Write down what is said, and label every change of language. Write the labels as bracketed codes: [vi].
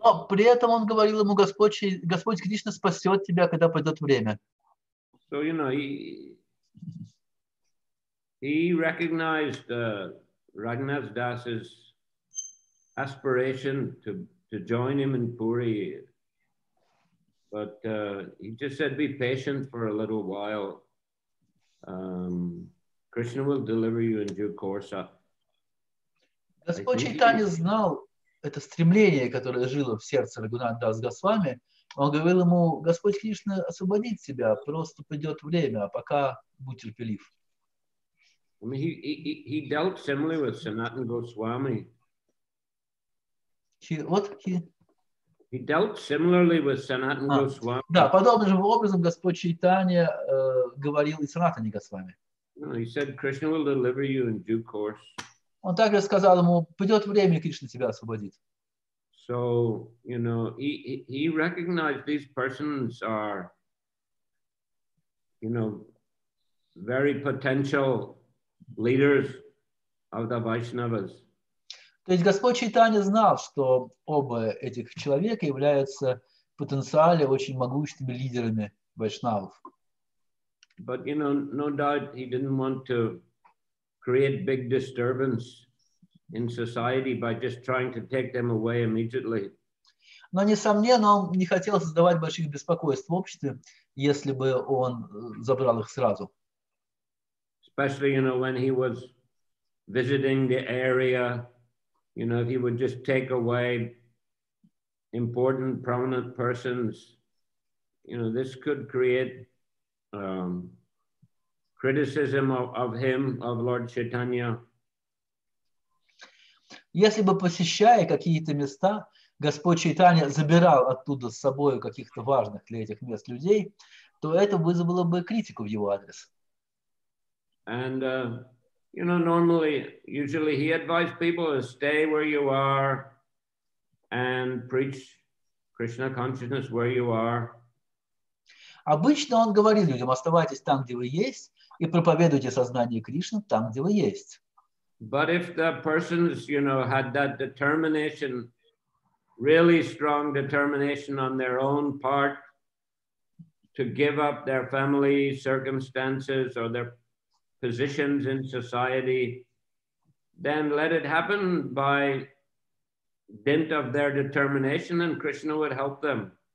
[ru] Но при этом он говорил ему, Господь Кришна спасет тебя, когда пойдет время. [en] So you know he recognized Raghunath Das's aspiration to join him in Puri, but he just said, be patient for a little while. Krishna will deliver you in due course. [ru] Господь Чайтанья знал это стремление, которое жило в сердце Рагунатха Даса Госвами. Он говорил ему, Господь Кришна освободит тебя, просто придет время, а пока будь терпелив. [en] I mean, he dealt similarly with Sanatana Goswami. He dealt similarly with Sanatana Goswami. [ru] Да, подобным же образом Господь Чайтанья говорил и Санатане Госвами. [en] No, he said, Krishna will deliver you in due course. [ru] Он также сказал ему, придет время, Кришна тебя освободит. [en] So, you know, he recognized these persons are, you know, very potential leaders of the Vaishnavas. [ru] То есть Господь Чайтанья знал, что оба этих человека являются потенциально очень могущими лидерами вайшнавов. [en] But you know, no doubt he didn't want to create big disturbance in society by just trying to take them away immediately. [ru] Но, несомненно, он не хотел создавать больших беспокойств в обществе, если бы он забрал их сразу. [en] Especially, you know, when he was visiting the area, you know, if he would just take away important, prominent persons, you know, this could create criticism of him, of Lord Chaitanya. [ru] Если бы, посещая какие-то места, Господь Чайтанья забирал оттуда с собой каких-то важных для этих мест людей, то это вызвало бы критику в его адрес. [en] And, you know, normally, usually he advised people to stay where you are and preach Krishna consciousness where you are. [ru] Обычно он говорит людям, оставайтесь там, где вы есть, и проповедуйте сознание Кришны там, где вы есть. [en] But if the persons, you know, had that determination, really strong determination on their own part to give up their family circumstances or their positions in society, then let it happen by dint of their determination and Krishna would help them.